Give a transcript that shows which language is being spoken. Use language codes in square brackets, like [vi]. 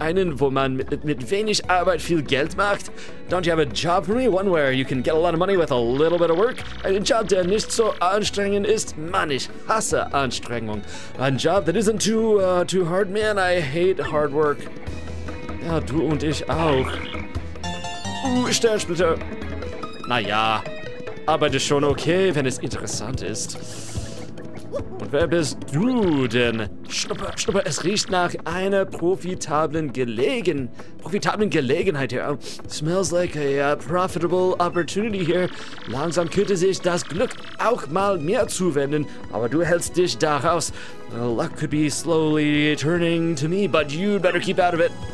[de] Einen, wo man mit wenig Arbeit viel Geld macht? [en] Don't you have a job for me? One where you can get a lot of money with a little bit of work? [de] Einen Job, der nicht so anstrengend ist? Mann, ich hasse Anstrengung. [en] Ein Job that isn't too hard? Man, I hate hard work. [de] Ja, du und ich auch. Sternsplitter. Naja, arbeite schon okay, wenn es interessant ist. Und wer bist du denn? Schnupper, es riecht nach einer profitablen Gelegenheit hier. [en] Smells like a profitable opportunity here. [de] Langsam könnte sich das Glück auch mal mir zuwenden, aber du hältst dich da raus. [en] Luck could be slowly turning to me, but you better keep out of it.